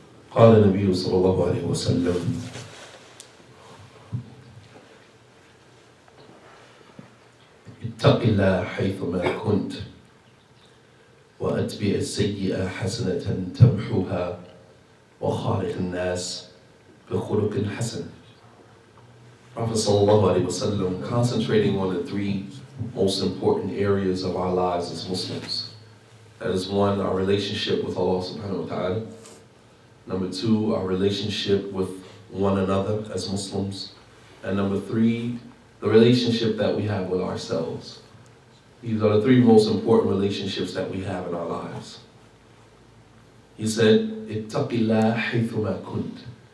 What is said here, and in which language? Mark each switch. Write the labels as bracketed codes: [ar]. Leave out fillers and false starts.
[ar] قال النبي صلى الله عليه وسلم: اتق الله حيثما كنت وأتبع السيئة حسنة تمحوها وخالق الناس بخلق حسن. [en] Prophet sallallahu alayhi wa sallam concentrating on the three most important areas of our lives as Muslims. That is one, our relationship with Allah subhanahu wa ta'ala. Number two, our relationship with one another as Muslims. And number three, the relationship that we have with ourselves. These are the three most important relationships that we have in our lives. He said, [ar] اتَّقِ اللَّهَ حَيْثُمَا كُنْتَ.